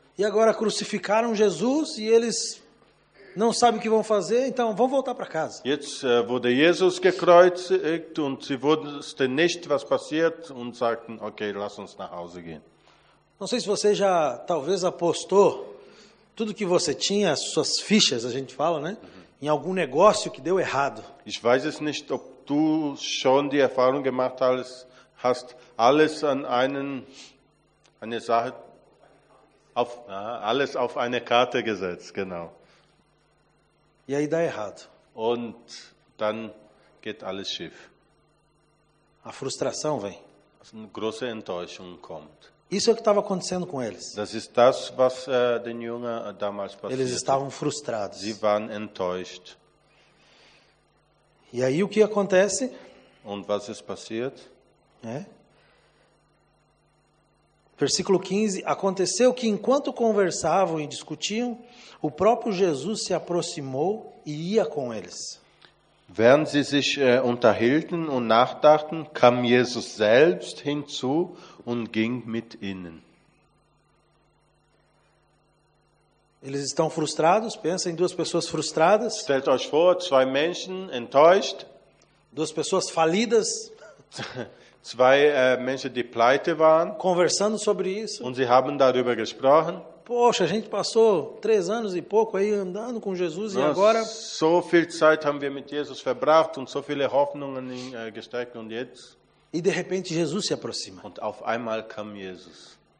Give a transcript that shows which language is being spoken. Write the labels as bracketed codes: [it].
[pt] E agora crucificaram Jesus e eles não sabem o que vão fazer, então vão voltar para casa. [de] Jetzt wurde Jesus gekreuzigt und sie wussten nicht, was passiert und sagten, okay, lass uns nach Hause gehen. [pt] Não sei se você já talvez apostou tudo que você tinha, as suas fichas, a gente fala, né? Uhum. Em algum negócio que deu errado. [de] Ich weiß es nicht, ob du schon die Erfahrung gemacht hast, alles an einen eine Sache auf alles auf eine Karte gesetzt, genau. [pt] E aí dá errado. [de] Und dann geht alles schief. [pt] A frustração vem. [de] Eine große Enttäuschung kommt. [pt] Isso é o que estava acontecendo com eles. [de] Das ist das, was den Jungen damals passierte. [pt] Eles estavam frustrados. [de] Sie waren enttäuscht. [pt] E aí o que acontece? [de] Und was ist passiert? [pt] Versículo 15. Aconteceu que enquanto conversavam e discutiam, o próprio Jesus se aproximou e ia com eles. [de] Während sie sich unterhielten und nachdachten, kam Jesus selbst hinzu und ging mit ihnen. [pt] Eles estão frustrados, pensa em duas pessoas frustradas. [de] Stellt euch vor, zwei Menschen enttäuscht. [pt] Duas pessoas falidas. [de] Zwei Menschen, die pleite waren. [pt] Conversando sobre isso. [de] Und sie haben darüber gesprochen. [pt] Poxa, a gente passou 3 anos e pouco aí andando com Jesus e agora... [de] So viel Zeit haben wir mit Jesus verbracht und so viele Hoffnungen gesteckt und jetzt... [pt] E de repente Jesus se aproxima. [de] Und auf einmal kam Jesus.